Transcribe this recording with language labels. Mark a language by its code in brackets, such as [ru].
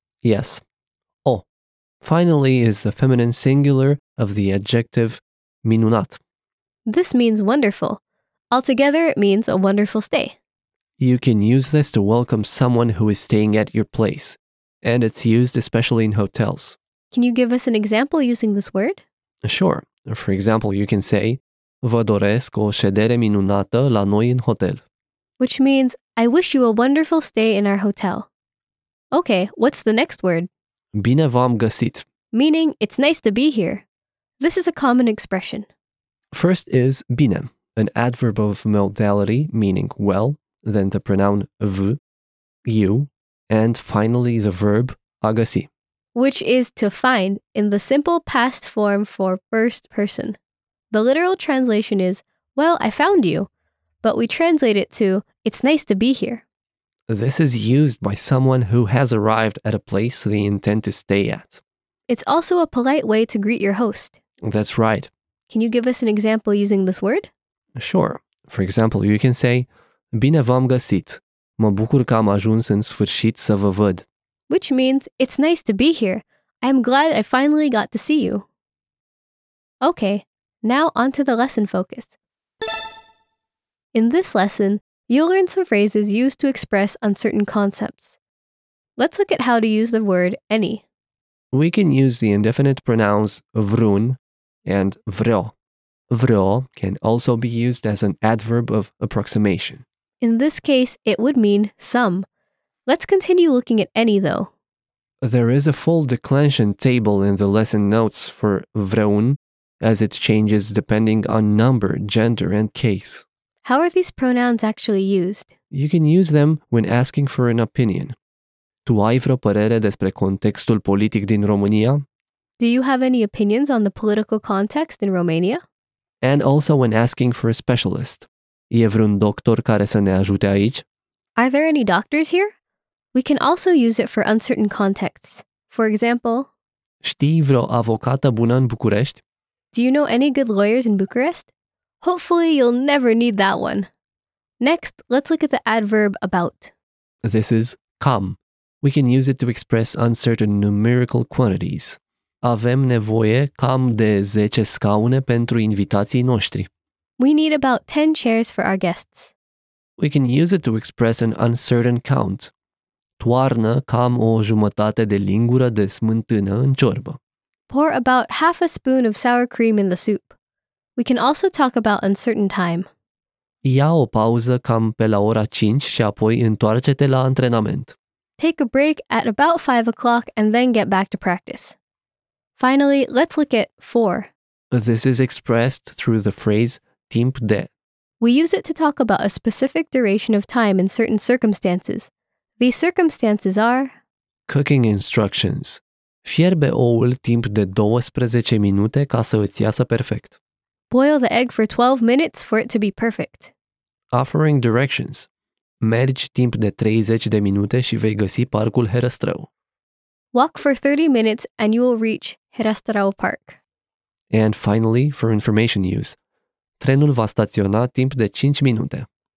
[en] Yes. O, finally, is the feminine singular of the adjective minunat. This means wonderful. Altogether, it means a wonderful stay. You can use this to welcome someone who is staying at your place, and it's used especially in hotels. Can you give us an example using this word? Sure. For example, you can say, [ro] Vă doresc o ședere minunată la noi în hotel. [en] Which means, I wish you a wonderful stay in our hotel. Okay, what's the next word? [ro] Bine v-am găsit. [en] Meaning, it's nice to be here. This is a common expression. First is bine, an adverb of modality meaning well, then the pronoun v, you, and finally the verb a găsi. Which is to find in the simple past form for first person. The literal translation is, well, I found you, but we translate it to, it's nice to be here. This is used by someone who has arrived at a place they intend to stay at. It's also a polite way to greet your host. That's right. Can you give us an example using this word? Sure. For example, you can say, [ro] Bine v-am găsit. Mă bucur că am ajuns în sfârșit să vă văd. [en] Which means, it's nice to be here. I am glad I finally got to see you. Okay, now on to the lesson focus. In this lesson, you'll learn some phrases used to express uncertain concepts. Let's look at how to use the word any. We can use the indefinite pronouns vrun and vreo. Vreo can also be used as an adverb of approximation. In this case, it would mean some. Let's continue looking at any, though. There is a full declension table in the lesson notes for vreun, as it changes depending on number, gender, and case. How are these pronouns actually used? You can use them when asking for an opinion. [ro] Tu ai vreo părere despre contextul politic din România? [en] Do you have any opinions on the political context in Romania? And also when asking for a specialist. [ro] E vreun doctor care să ne ajute aici? [en] Are there any doctors here? We can also use it for uncertain contexts. For example, [ro] Știi vreo avocată bună în București? [en] Do you know any good lawyers in Bucharest? Hopefully you'll never need that one. Next, let's look at the adverb about. This is cam. We can use it to express uncertain numerical quantities. [ro] Avem nevoie cam de 10 scaune pentru invitații noștri. [en] We need about 10 chairs for our guests. We can use it to express an uncertain count. [ro] Toarnă cam o jumătate de lingură de smântână în ciorbă. [en] Pour about half a spoon of sour cream in the soup. We can also talk about uncertain time. [ro] Ia o pauză cam pe la ora 5 și apoi întoarce-te la antrenament. [en] Take a break at about 5 o'clock and then get back to practice. Finally, let's look at 4. This is expressed through the phrase timp de. We use it to talk about a specific duration of time in certain circumstances. These circumstances are Cooking instructions. [ro] Fierbe oul timp de 12 minute ca să îți iasă perfect. [en] Boil the egg for 12 minutes for it to be perfect. Offering directions. [ro] Mergi timp de 30 de minute și vei găsi parcul Herăstrău. [en] Walk for 30 minutes and you will reach Herăstrău Park. And finally, for information use. [ro] Trenul va staționa timp de 5 minute.